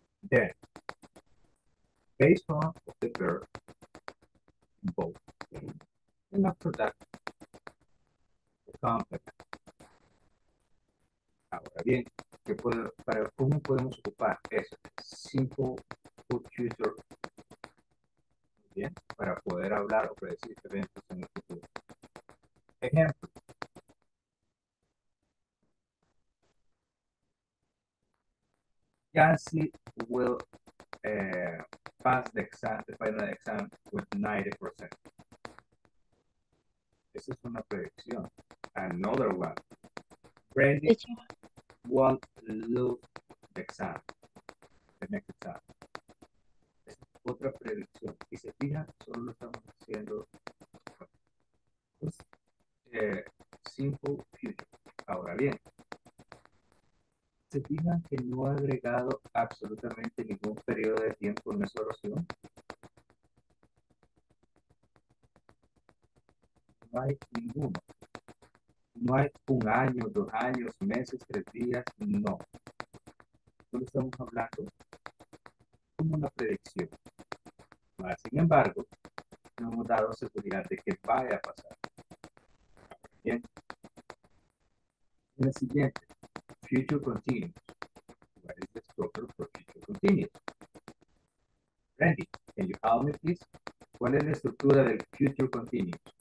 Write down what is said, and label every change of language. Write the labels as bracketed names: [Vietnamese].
[English] Then, base form of the verb, both. And after that, the complement. [Spanish] Ahora bien, ¿qué puede, para cómo podemos ocupar eso? [English] Simple future. [Spanish] Bien, para poder hablar o predecir eventos en el futuro. ejemplo. [English] Cassie will pass the exam, the final exam with 90%. This is [Spanish] una predicción. [English] Another one. Brandy won't lose the exam. The next exam. [Spanish] Es otra predicción. Y se fija, solo lo estamos haciendo. Pues, simple future. Ahora bien. Se fijan que no ha agregado absolutamente ningún periodo de tiempo en esa oración. No hay ninguno. No hay un año, dos años, meses, tres días, no. Solo estamos hablando como una predicción. Sin embargo, no hemos dado seguridad de que vaya a pasar. Bien. En el siguiente. Future continuous. [English] What is the structure for future continuous? Randy, can you help me please? [Spanish] ¿Cuál es la estructura del future continuous?